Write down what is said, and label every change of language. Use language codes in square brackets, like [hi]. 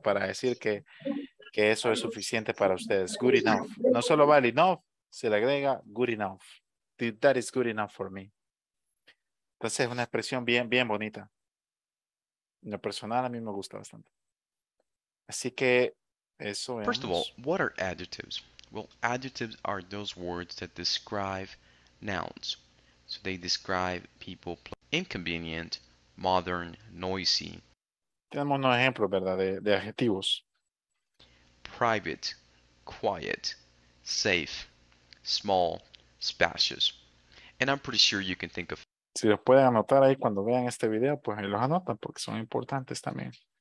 [es] Para decir que eso es suficiente para ustedes. [en] Good enough. [es] No solo vale enough, se le agrega [en] good enough. That is good enough for me. [es] Entonces es una expresión bien, bien bonita. En lo personal a mí me gusta bastante. Así que eso es. [en] First of all, what are adjectives? Well, adjectives are those words that describe nouns. So they describe people inconvenient, modern, noisy. [es] Tenemos un ejemplo, ¿verdad? De adjetivos. [en] Private, quiet, safe, small, spacious. And I'm pretty sure you can think of. [es] Si los pueden anotar ahí cuando vean este video, pues ahí los anotan porque son importantes también.